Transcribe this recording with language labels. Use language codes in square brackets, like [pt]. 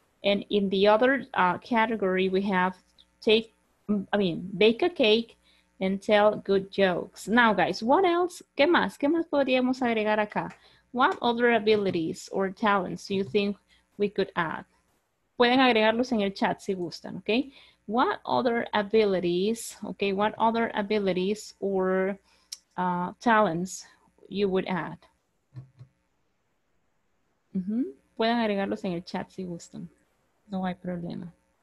[en] And in the other category, we have bake a cake and tell good jokes. Now guys, what else? [es] ¿Qué más? ¿Qué más podríamos agregar acá? [en] What other abilities or talents do you think we could add? [es] Pueden agregarlos en el chat si gustan, okay? [en] What other abilities, okay, what other abilities or talents you would add? [es] Mm-hmm. Pueden agregarlos en el chat si gustan. No hay problema.